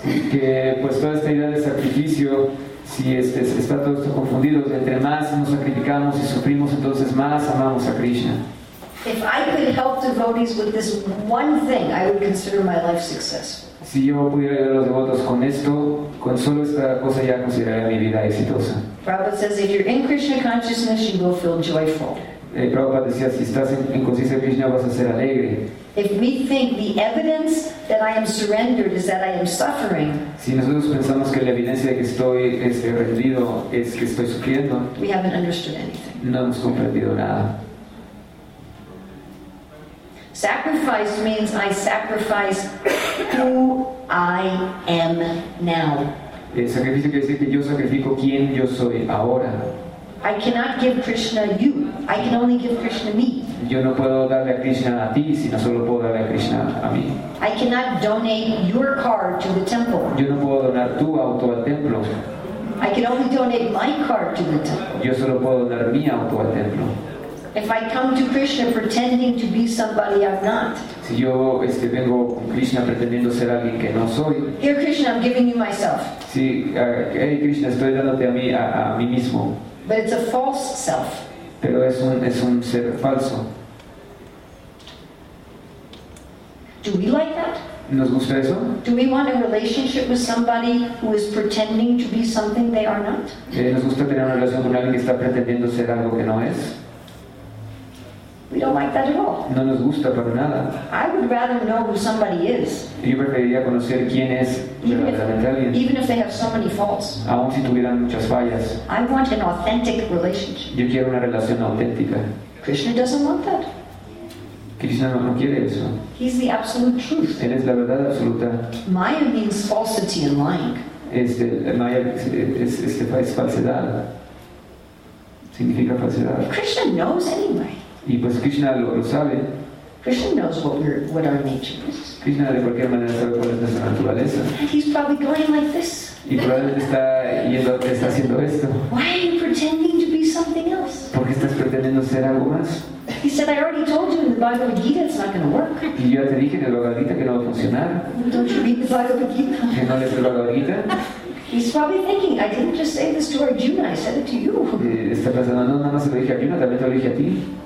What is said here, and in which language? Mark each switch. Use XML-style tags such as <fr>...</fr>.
<es>Que pues toda esta idea de sacrificio, si está todo esto confundido, entre más nos sacrificamos y sufrimos, entonces más amamos a Krishna.</es> <en>If I could help devotees with this one thing, I would consider my life successful.</en> <es>Si yo pudiera ayudar a los devotos con esto, con solo esta cosa ya consideraría mi vida exitosa.</es> <en>Prabhupada says, if you're in Krishna consciousness, you will feel joyful.</en> <es>Prabhupada decía, si estás en conciencia de Krishna, vas a ser alegre.</es> <en>If we think the evidence that I am surrendered is that I am suffering,</en> <es>si nosotros pensamos que la evidencia de que estoy rendido es que estoy sufriendo,</es> <en>we haven't understood anything.</en> <es>No hemos comprendido nada.</es> <en>Sacrifice means I sacrifice who I am now.</en> <es>El sacrificio quiere decir que yo sacrifico quién yo soy ahora.</es> <en>I cannot give Krishna you. I can only give Krishna me.</en> <es>Yo no puedo darle a Krishna a ti, sino solo puedo darle a Krishna a mí.</es> <en>I cannot donate your car to the temple.</en> <es>Yo no puedo donar tu auto al templo.</es> <en>I can only donate my car to the temple.</en> <es>Yo solo puedo donar mi auto al templo.</es> <en>If I come to Krishna pretending to be somebody I'm not.</en> <es>Si yo vengo con Krishna pretendiendo ser alguien que no soy.</es> <en>Here Krishna, I'm giving you myself.</en> <es>Si, hey Krishna, estoy dándote a mí mismo.</es> <en>But it's a false self.</en> <es>Pero es un ser falso.</es> <en>Do we like that?</en> <es>¿Nos gusta eso?</es> <en>Do we want a relationship with somebody who is pretending to be something they are not?</en> <es>¿Nos gusta tener una relación con alguien que está pretendiendo ser algo que no es?</es> <en>We don't like that at all.</en> <es>No nos gusta para nada.</es> <en>I would rather know who somebody is.</en> <es>Yo preferiría conocer quién es verdaderamente alguien.</es> <en>Even if they have so many faults.</en> <es>Aun si tuvieran muchas fallas.</es> <en>I want an authentic relationship.</en> <es>Yo quiero una relación auténtica.</es> <en>Krishna doesn't want that.</en> <es>Krishna no quiere eso.</es> <en>He's the absolute truth.</en> <es>Él es la verdad absoluta.</es> <en>Maya means falsity and lying.</en> <es>Maya es falsedad. Significa falsedad.</es> <en>Krishna knows anyway.</en> <es>Y pues Krishna lo sabe.</es> <en>Krishna knows what our nature is.</en> <es>Krishna de cualquier manera sabe cuál es nuestra naturaleza.</es> <en>He's probably going like this.</en> <es>Y probablemente está haciendo esto.</es> <en>Why are you pretending to be something else?</en> <es>¿Por qué estás pretendiendo ser algo más?</es> <en>He said, I already told you in the Bhagavad Gita it's not going to work.</en> <es>Y yo ya te dije en el Bhagavad Gita que no va a funcionar.</es> <en>Don't you read the Bhagavad Gita?</en> <es>¿Que no lees el Bhagavad Gita?</es> <en>He's probably thinking, I didn't just say this to Arjuna, I said it to you.</en> <es>Está pensando, no, nada más se lo dije a Arjuna, también te lo dije a ti.</es>